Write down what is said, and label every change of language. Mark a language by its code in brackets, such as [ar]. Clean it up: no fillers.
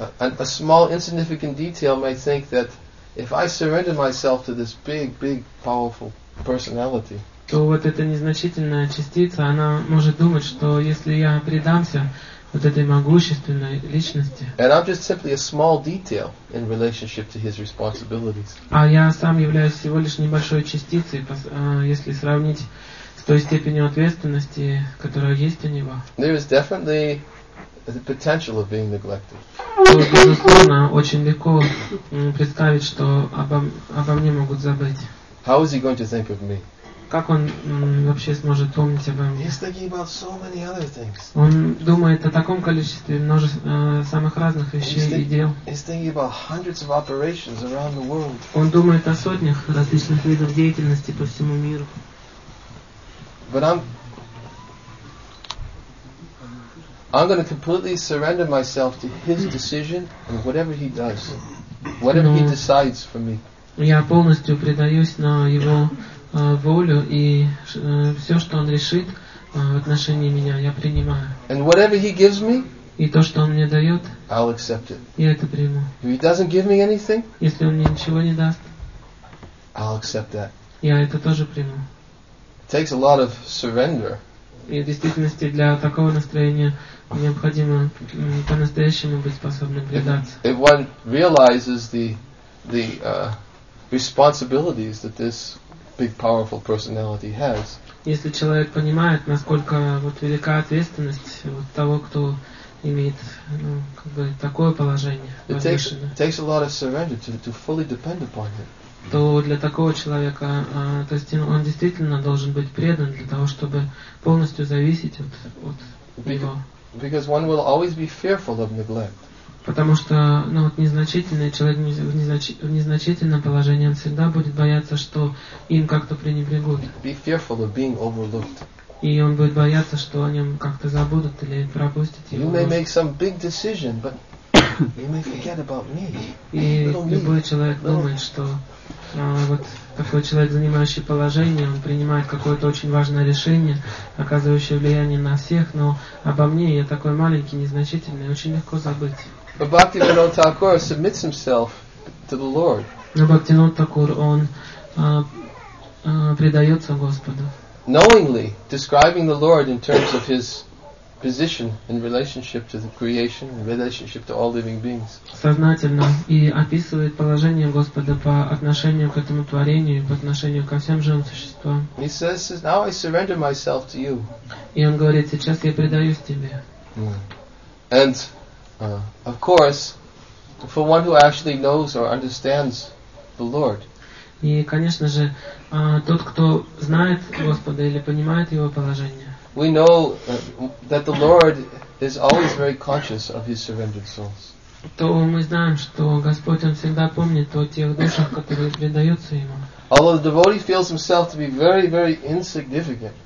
[en] A small insignificant detail may think that if I surrender myself to this big, big, powerful personality. [ru] То вот эта незначительная частица, она может думать, что если я предамся вот этой могущественной личности. [en] And I'm just simply a small detail in relationship to his responsibilities. [ru] А я сам являюсь всего лишь небольшой частицей, если сравнить той степенью ответственности, которая есть у него. [en] There is definitely the potential of being neglected. [ru] Безусловно, очень легко представить, что обо мне могут забыть. [en] How is he going to think of me? [ru] Как он вообще сможет помнить обо мне? [en] He's thinking about so many other things. [ru] Он думает о таком количестве множества самых разных вещей и дел. [en] He's thinking about hundreds of operations around the world. [ru] Он думает о сотнях различных видов деятельности по всему миру. [en] But I'm going to completely surrender myself to his decision and whatever he does, whatever he decides for me. [ru] Я полностью предаюсь на его волю и все, что он решит в отношении меня, я принимаю. [en] And whatever he gives me, [ru] и то, что он мне дает, [en] I'll accept it. [ru] Я это приму. [en] If he doesn't give me anything, [ru] если он мне ничего не даст, [en] I'll accept that. [ru] Я это тоже приму. [en] It takes a lot of surrender. [ru] И в действительности для такого настроения необходимо по-настоящему быть способным предаться. [en] If one realizes the responsibilities that this big powerful personality has. [ru] Если человек понимает, насколько вот велика ответственность вот того, кто имеет, ну, как бы такое положение, [en] takes a lot of surrender to fully depend upon him. [ru] То для такого человека, то есть он действительно должен быть предан для того, чтобы полностью зависеть от него. [en] Because one will always be fearful of neglect. [ru] Потому что, ну вот, незначительный человек в незначительном положении, он всегда будет бояться, что им как-то пренебрегут. [en] Be fearful of being overlooked. [ru] И он будет бояться, что о нем как-то забудут или пропустят его. [en] You may make some big decision, but you may forget about me. [ru] И любой человек думает, что вот такой человек, занимающий положение, он принимает какое-то очень важное решение, оказывающее влияние на всех, но обо мне я такой маленький, незначительный, очень легко забыть. [en] But Bhakti Vinod Thakur submits himself to the Lord. [ru] Bhakti Vinod Thakur, он предается Господу. [en] Knowingly describing the Lord in terms of his position in relationship to the creation, in relationship to all living beings. [ru] Сознательно и описывает положение Господа по отношению к этому творению, по отношению ко всем живым существам. [en] He says, "Now I surrender myself to you." [ru] И он говорит: сейчас я предаюсь тебе. [en] And of course, for one who actually knows or understands the Lord. [ru] И, конечно же, тот, кто знает Господа или понимает его положение. [en] We know that the Lord is always very conscious of his surrendered souls. [ru] То мы знаем, что Господь, он всегда помнит о тех душах, которые предаются ему. [en] Although the devotee feels himself to be very, very insignificant.